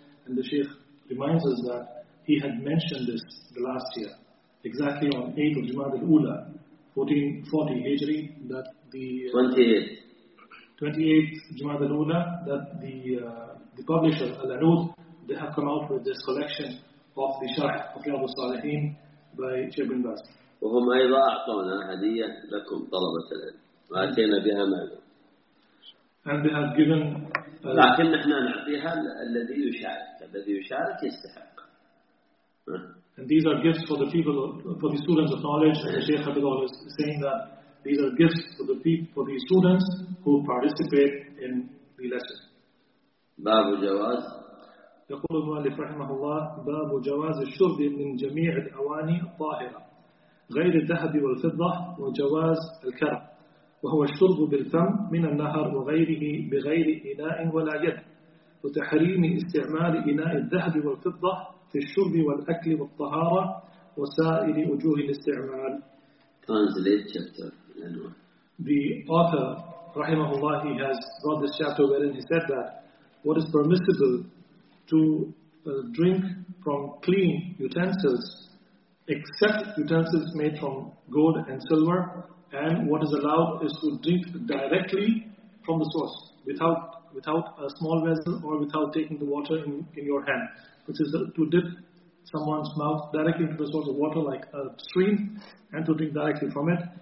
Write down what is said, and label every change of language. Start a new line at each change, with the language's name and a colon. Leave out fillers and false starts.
English: And the Shaykh reminds us that he had mentioned this the last year, exactly on 8th of Jumad al-Ula, 1440 Hijri, that the 28th Jumad al-Ula, that the publisher, Al-Anud, they have come out with this collection of the Sharh of Riyadu Salihin by Sheikh bin Baz.
Arabic: وهم أيضا أعطونا هدية لكم طلبة العلم وأتينا بها معلوم.
English: And they have given.
Arabic: لكن نحن نعطيها الذي يشارك الذي يشارك يستحق.
English: And these are gifts for the people for the students of knowledge. And the Sheikh Habib is saying that these are gifts for the people for the students who participate in the lesson.
Arabic: باب جواز. يقول المؤلف رحمه الله باب جواز الشرب من جميع الأواني الطاهرة غير الذهب والفضة وجواز الكرب وهو الشرب بالفم من النهر وغيره بغير إناء ولا يد وتحريم استعمال إناء الذهب والفضة في الشرب والأكل والطهارة وسائر وجوه الاستعمال.
English: Translate chapter. The author
Arabic: رحمه الله
English: he has brought this chapter wherein he said that what is permissible to drink from clean utensils, except utensils made from gold and silver, and what is allowed is to drink directly from the source, without a small vessel or without taking the water in your hand, which is to dip someone's mouth directly into the source of water like a stream, and to drink directly from it.